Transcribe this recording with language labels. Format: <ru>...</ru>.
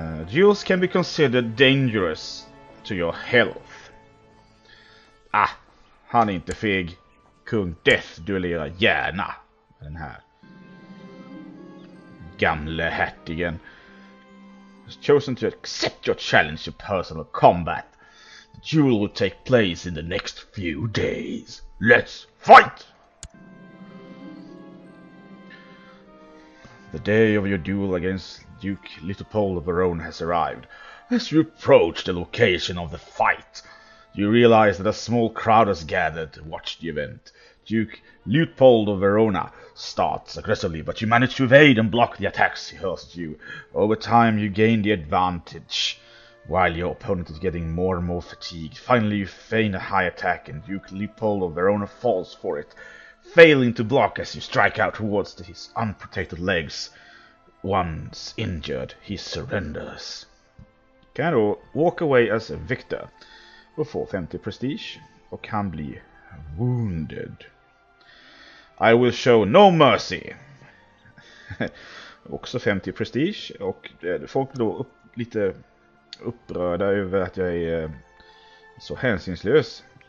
<en>Duels can be considered dangerous to your health.</en> <sv>Ah, han är inte feg. Kung Death duellerar gärna med den här gamle hertigen.</sv> <en>Has chosen to accept your challenge to personal combat. The duel will take place in the next few days. Let's fight! The day of your duel against Duke Leetpold of Verona has arrived. As you approach the location of the fight, you realize that a small crowd has gathered to watch the event. Duke Leetpold of Verona starts aggressively, but you manage to evade and block the attacks he hurls at you. Over time, you gain the advantage, while your opponent is getting more and more fatigued. Finally, you feign a high attack, and Duke Leetpold of Verona falls for it, failing to block as you strike out towards his unprotected legs. Once injured, he surrenders.</en> <sv>Kan då</sv> <en>walk away as a victor</en> <sv>och få 50 prestige och kan bli wounded.</sv> <en>I will show no mercy.</en> <sv>Också 50 prestige och folk blir då lite upprörda över att jag är så hänsynslös.</sv>